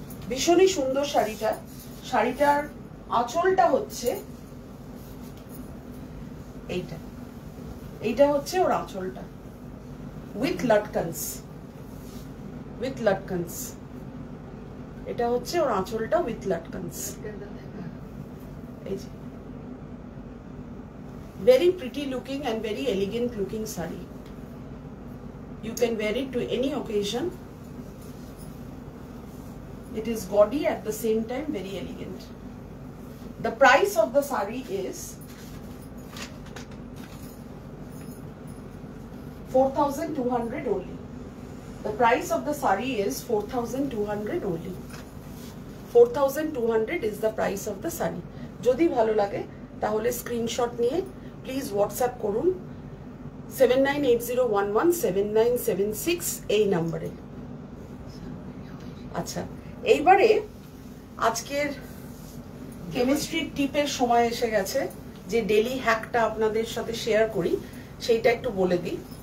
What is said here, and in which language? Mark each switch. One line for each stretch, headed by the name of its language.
Bangla: ভীষণই সুন্দর শাড়িটা। শাড়িটার আঁচলটা হচ্ছে এইটা, এইটা হচ্ছে ওর আঁচলটা উইথ লটকনস, উইথ লটকনস। এটা হচ্ছে ওর আঁচলটা with লটকনস।
English: Very pretty looking and very elegant looking sari. You can wear it to any occasion, It is gaudy at the same time very elegant. The price of the sari is 4,200 only. The price of the sari is 4,200 only. 4,200 is the price of the sari.
Bangla: যদি ভালো লাগে তাহলে screenshot নিয়ে please WhatsApp করুন 7980117976 এই নাম্বারে। আচ্ছা, এইবারে আজকের কেমিস্ট্রি টিপের সময় এসে গেছে, যে ডেইলি হ্যাকটা আপনাদের সাথে শেয়ার করি সেইটা একটু বলে দিই।